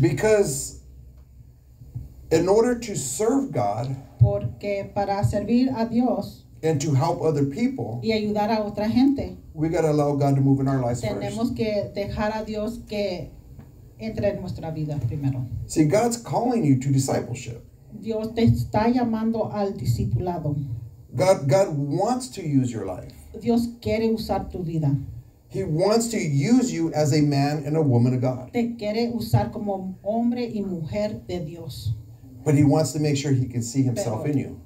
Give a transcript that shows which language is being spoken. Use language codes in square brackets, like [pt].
[en] Because in order to serve God, [es] porque para servir a Dios, [en] and to help other people, [es] y ayudar a otra gente, [en] we got to allow God to move in our lives first. [es] Tenemos que dejar a Dios que entre en nuestra vida primero. [en] See, God's calling you to discipleship. [es] Dios te está llamando al discipulado. [en] God wants to use your life. [es] Dios quiere usar tu vida. [en] He wants to use you as a man and a woman of God. [es] Te quiere usar como hombre y mujer de Dios. [en] But he wants to make sure he can see himself in you.